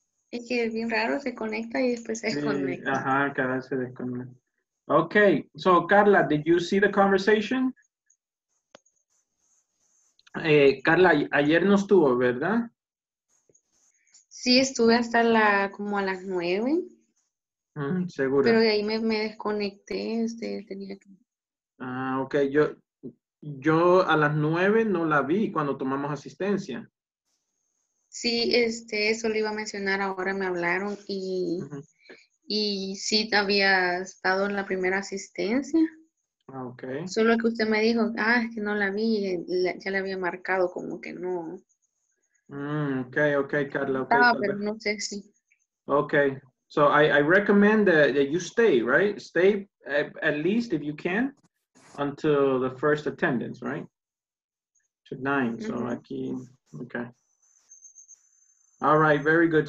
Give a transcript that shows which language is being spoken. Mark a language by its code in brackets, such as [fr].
[es] Es que es bien raro, se conecta y después se desconecta. Sí, ajá, cada vez se desconecta. [en] Okay, so Carla, did you see the conversation? [es] Carla, ayer no estuvo, ¿verdad? Sí, estuve hasta como a las 9. Seguro. Pero de ahí me desconecté, tenía que... Ah, okay, yo a las 9 no la vi cuando tomamos asistencia. Sí, eso lo iba a mencionar, ahora me hablaron y, uh-huh. y sí, había estado en la primera asistencia. [en] Ok. [es] Solo que usted me dijo, es que no la vi, ya la había marcado, como que no. [en] Okay, Carla. [es] Okay, estaba, pero no sé si. [en] Okay, so I recommend that you stay, right? Stay at least if you can until the first attendance, right? To 9, so uh-huh. aquí, okay. All right, very good.